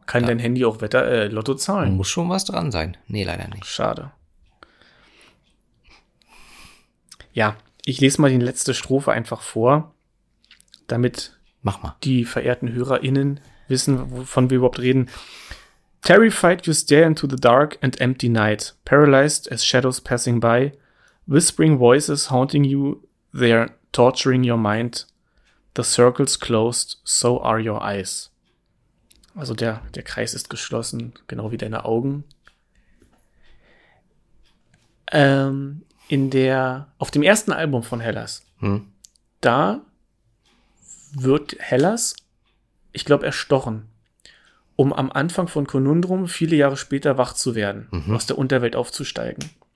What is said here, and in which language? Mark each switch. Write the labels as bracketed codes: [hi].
[de] Kann dein Handy auch Lotto zahlen? Muss schon was dran sein. Nee, leider nicht. Schade. Ja, ich lese mal die letzte Strophe einfach vor, damit Mach mal. Die verehrten HörerInnen wissen, wovon wir überhaupt reden. [en] Terrified you stare into the dark and empty night, paralyzed as shadows passing by, whispering voices haunting you, they are torturing your mind. The circle's closed, so are your eyes. [de] Also der Kreis ist geschlossen, genau wie deine Augen. Auf dem ersten Album von Hellas, da wird Hellas, ich glaube, erstochen, um am Anfang von Conundrum viele Jahre später wach zu werden, aus der Unterwelt aufzusteigen.